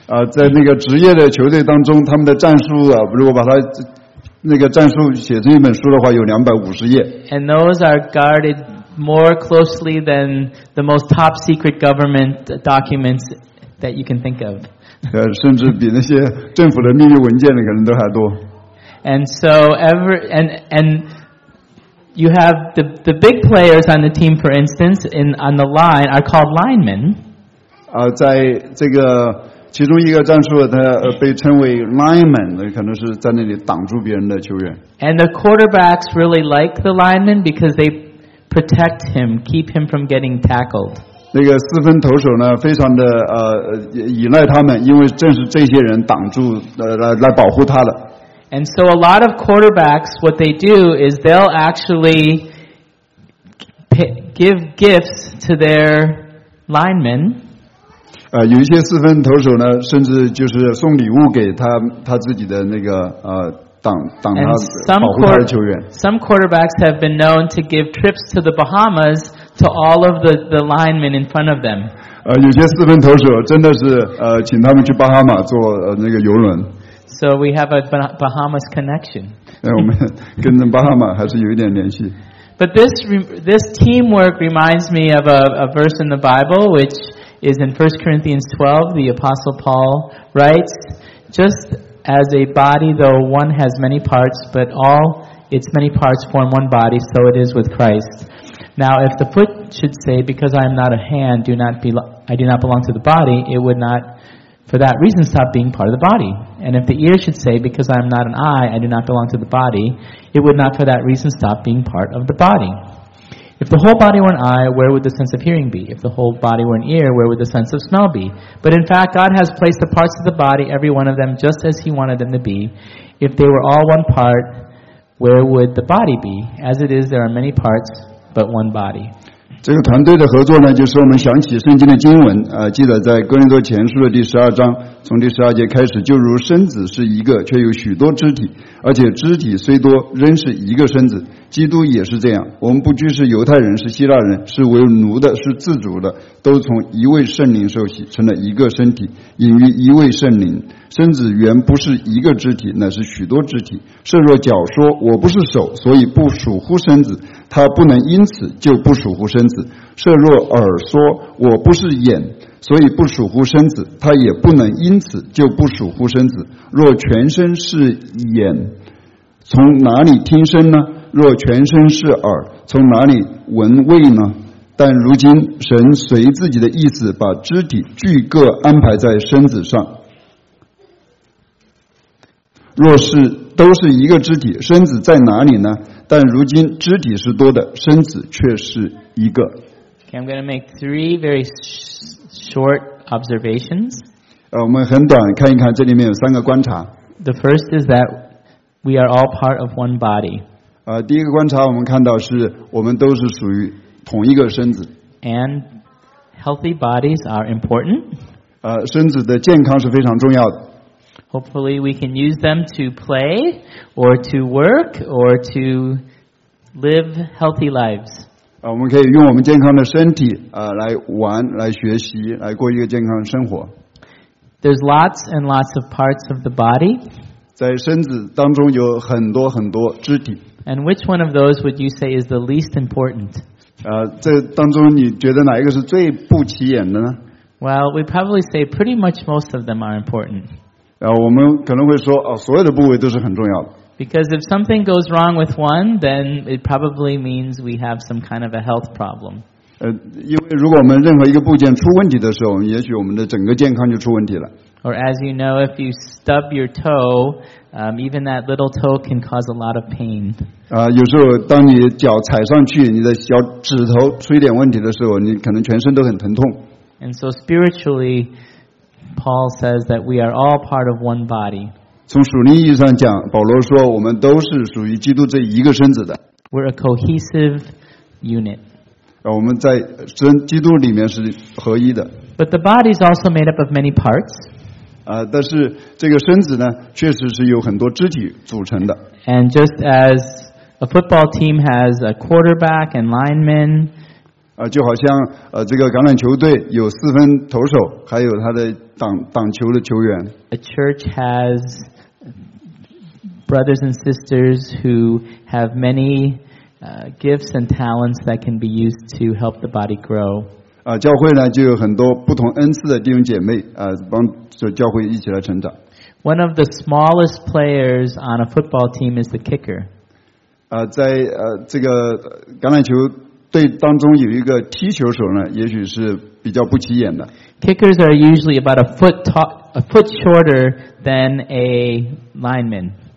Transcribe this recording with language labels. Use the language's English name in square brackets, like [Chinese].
[Chinese] 在那个职业的球队当中，他们的战术如果把它那个战术写成一本书的话，有250页。 [English] And those are guarded more closely than the most top secret government documents that you can think of. [Chinese] 甚至比那些政府的秘密文件可能都还多。 [English] And so and you have the big players on the team, for instance, on the line are called linemen. [Chinese] 在这个其中一个战术他被称为 lineman， 可能是在那里挡住别人的球员。 [English] And the quarterbacks really like the lineman because they protect him, keep him from getting tackled. [Chinese] 那个四分投手呢非常的依赖他们，因为正是这些人挡住来保护他的。 [English] And so a lot of quarterbacks, what they do is they'll actually give gifts to their linemen. [Chinese] 有一些四分投手呢，甚至就是送礼物给他自己的那个挡他保护他的球员。 [English] Some quarterbacks have been known to give trips to the Bahamas to all of the linemen in front of them. [Chinese] 有些四分投手真的是请他们去巴哈马坐那个游轮。 [English] So we have a Bahamas connection. [Chinese] 我们跟着巴哈马还是有一点联系。 [English] But this teamwork reminds me of a verse in the Bible which. Is in 1 Corinthians 12, the Apostle Paul writes, Just as a body, though one has many parts, but all its many parts form one body, so it is with Christ. Now, if the foot should say, Because I am not a hand, I do not belong to the body, it would not, for that reason, stop being part of the body. And if the ear should say, Because I am not an eye, I do not belong to the body, it would not, for that reason, stop being part of the body. If the whole body were an eye, where would the sense of hearing be? If the whole body were an ear, where would the sense of smell be? But in fact, God has placed the parts of the body, every one of them, just as He wanted them to be. If they were all one part, where would the body be? As it is, there are many parts, but one body. [Chinese] 这个团队的合作呢，就是我们想起圣经的经文，记得在哥林多前书的第十二章，从第十二节开始，就如身子是一个，却有许多肢体，而且肢体虽多，仍是一个身子。基督也是这样，我们不拘是犹太人，是希腊人，是为奴的，是自主的，都从一位圣灵受洗，成了一个身体，隐于一位圣灵。身子原不是一个肢体，乃是许多肢体。甚若脚说，我不是手，所以不属乎身子，他不能因此就不属乎身子。甚若耳说，我不是眼，所以不属乎身子，他也不能因此就不属乎身子。若全身是眼，从哪里听声呢？若全身是耳，从哪里闻味呢？但如今神随自己的意思把肢体俱各安排在身子上，若是都是一个肢体，身子在哪里呢？但如今肢体是多的，身子却是一个。 [English] Okay, I'm going to make three very short observations. [Chinese] 我们很短看一看，这里面有三个观察。 [English] The first is that we are all part of one body. [Chinese] 第一个观察我们看到是我们都是属于同一个身子。 [English] And healthy bodies are important. [Chinese] 身子的健康是非常重要的。 [English] Hopefully we can use them to play or to work or to live healthy lives. [Chinese] 我们可以用我们健康的身体来玩，来学习，来过一个健康的生活。 [English] There's lots and lots of parts of the body. [Chinese] 在身子当中有很多很多肢体。 [English] And which one of those would you say is the least important? [Chinese] 这当中你觉得哪一个是最不起眼的呢？ [English] Well, we probably say pretty much most of them are important. [Chinese] 我们可能会说所有的部位都是很重要的。 [English] Because if something goes wrong with one, then it probably means we have some kind of a health problem. [Chinese] 因为如果我们任何一个部件出问题的时候，也许我们的整个健康就出问题了。 [English] Or as you know, if you stub your toe, even that little toe can cause a lot of pain. [Chinese] 有时候当你脚踩上去，你的小指头出一点问题的时候，你可能全身都很疼痛。 [English] And so spiritually,Paul says that we are all part of one body. [Chinese] 从属灵意义上讲，保罗说我们都是属于基督这一个身子的。 [English] We're a cohesive unit. [Chinese] 我们在真基督里面是合一的。 [English] But the body is also made up of many parts. [Chinese] 但是这个身子呢，确实是有很多肢体组成的。 [English] And just as a football team has a quarterback and linemen. [Chinese] 就好像这个橄榄球队有四分投手，还有他的挡球的球员。 [English] A church has brothers and sisters who have many gifts and talents that can be used to help the body grow. [Chinese] 教会呢就有很多不同恩赐的弟兄姐妹帮着教会一起来成长。 [English] One of the smallest players on a football team is the kicker. [Chinese] 在这个橄榄球。对当中有一个踢球手呢，也许是比较不起眼的。 [English] Kickers are usually about a foot shorter than a lineman.